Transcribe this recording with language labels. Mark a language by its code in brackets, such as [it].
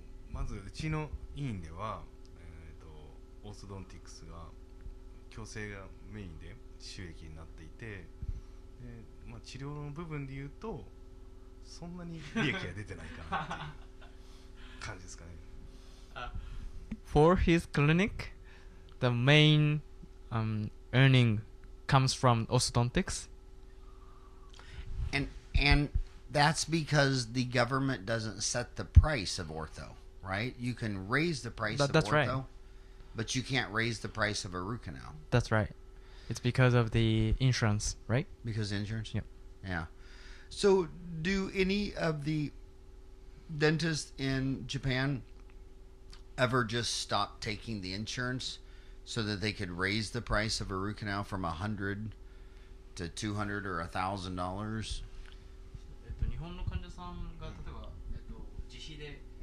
[ja] まずうちの委員では、オーソドンティクスが矯正がメインで収益になっていて、まあ、治療の部分でいうとそんなに利益が出てないかなっていう感じですかね。 [en] For his clinic, the main earning comes from orthodontics. And that's because the government doesn't set the price of ortho. Right, you can raise the price of ortho, right. But you can't raise the price of a root canal. That's right. It's because of the insurance, right? Because insurance. Yep. Yeah. So, do any of the dentists in Japan ever just stop taking the insurance so that they could raise the price of a root canal from $100 to $200 or $1,000? [ja] 日本の患者さんが例えば自費で